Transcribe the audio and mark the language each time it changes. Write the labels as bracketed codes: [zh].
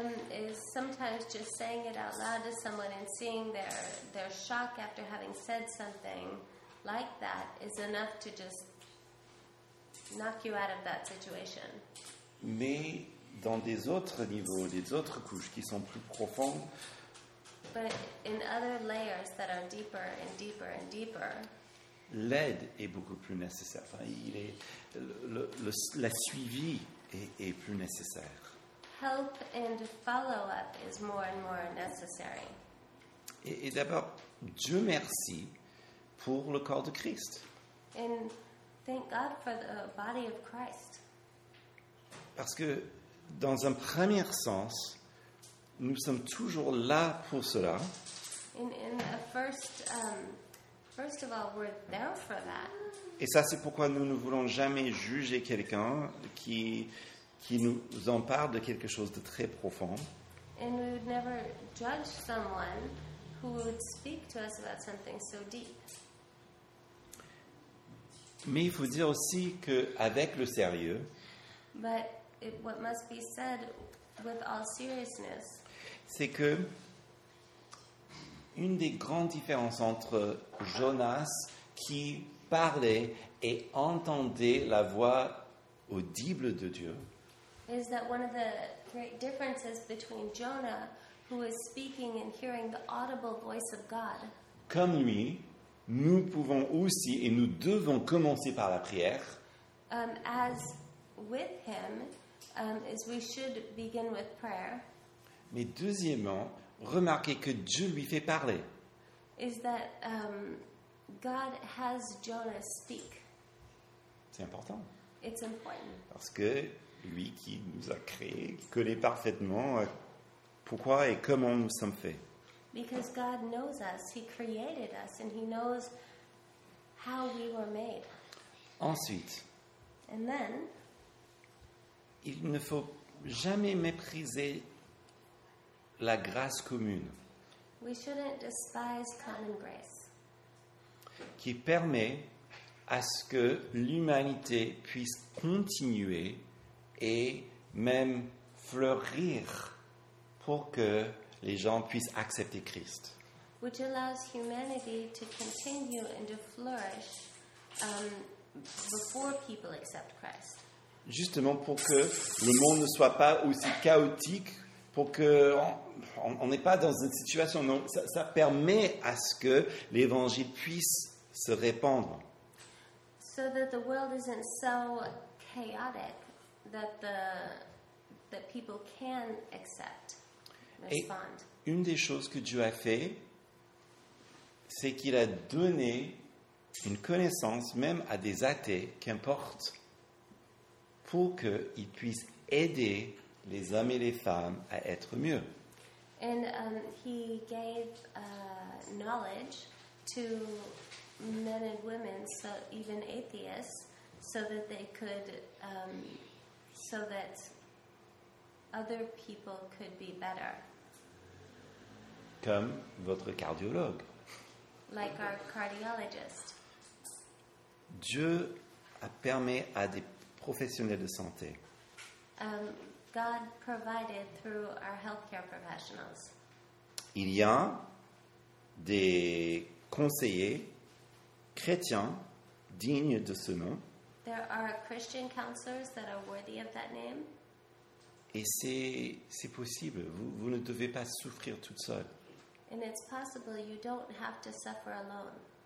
[en] Is sometimes just saying it out loud to someone and seeing their shock after having said something like that is enough to just knock you out of that situation. [fr] Mais dans des autres niveaux, des autres couches qui sont plus profondes, [en] but in other layers that are deeper and deeper and deeper, [fr] l'aide est beaucoup plus nécessaire. Enfin, il est le suivi est plus nécessaire. [en] Help and follow up is more and more necessary. [fr] Et d'abord, Dieu merci pour le corps de Christ. [en] And thank God for the body of Christ. [fr] Parce que dans un premier sens, nous sommes toujours là pour cela. [en] In the first, first of all, we're there for that. [fr] Et ça, c'est pourquoi nous ne voulons jamais juger quelqu'un qui nous en parle de quelque chose de très profond. [en] And we would never judge someone who would speak to us about something so deep. [fr] Mais il faut dire aussi que avec le sérieux, [en] but it, what must be said with all seriousness, [fr] c'est que une des grandes différences entre Jonas qui parlait et entendait la voix audible de Dieu, [en] is that one of the great differences between Jonah, who is speaking and hearing the audible voice of God, [fr] comme lui, nous pouvons aussi et nous devons commencer par la prière, [en] as with him, as we should begin with prayer. [fr] Mais deuxièmement, remarquez que Dieu lui fait parler. [en] Is that God has Jonah speak. [fr] C'est important. [en] It's important. [fr] Parce que lui qui nous a créés connaît parfaitement pourquoi et comment nous sommes faits. [en] Because God knows us, he created us and he knows how we were made. [fr] Ensuite. [en] And then [fr] il ne faut jamais mépriser la grâce commune. [en] We shouldn't despise common grace. [fr] Qui permet à ce que l'humanité puisse continuer et même fleurir pour que les gens puissent accepter Christ. [en] Which allows humanity to continue and to flourish before people accept Christ. [fr] Justement pour que le monde ne soit pas aussi chaotique, pour que on n'est pas dans une situation. Non, ça permet à ce que l'évangile puisse se répandre. [en] So that the world isn't so chaotic that people can accept, respond. [fr] Et une des choses que Dieu a fait, c'est qu'il a donné une connaissance même à des athées, qu'importe, pour qu'ils puissent aider les hommes et les femmes à être mieux. [en] And he gave knowledge to men and women, so even atheists, so that they could, so that other people could be better. [fr] Comme votre cardiologue. [en] Like our cardiologist. [fr] Dieu a permis à des professionnels de santé. [en] God provided through our healthcare professionals. [fr] Il y a des conseillers chrétiens dignes de ce nom. [en] There are Christian counselors that are worthy of that name. [fr] Et c'est possible. Vous ne devez pas souffrir toute seule. [en] And it's possible you don't have to suffer alone.